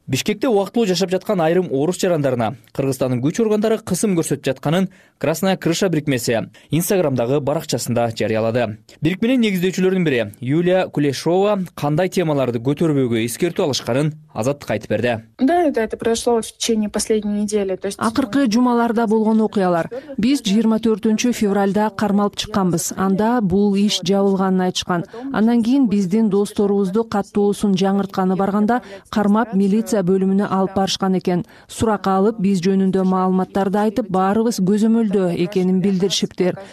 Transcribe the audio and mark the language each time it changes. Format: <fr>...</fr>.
<ky>Бишкекте убактылуу жашап жаткан айрым орус жарандарына Кыргызстандын күч органдары кысым көрсөтүп жатканын Красная крыша бирикмеси Instagram-дагы баракчасында жарыялады. Бирикменин негиздөөчүлөрүнүн бири Юлия Кулешова кандай темаларды көтөрбөөгө эскертүү алышканын Азаттык айтып берди.</ky> <ru>Да, да, это произошло в течение последней недели. То есть</ru> <ky>акыркы жумаларда болгон окуялар. Биз 24 февральда кармалып чыкканбыз. Анда бул иш жабылганын айтышкан. Андан кийин биздин досторубузду каттоосун жаңыртканы барганда кармап милиция бөлүмүнө алып барышкан экен. Суракка алып, биз жөнүндө маалыматтарды айтып, баарыбыз көзөмөлдө экенин билдиришиптер.</ky>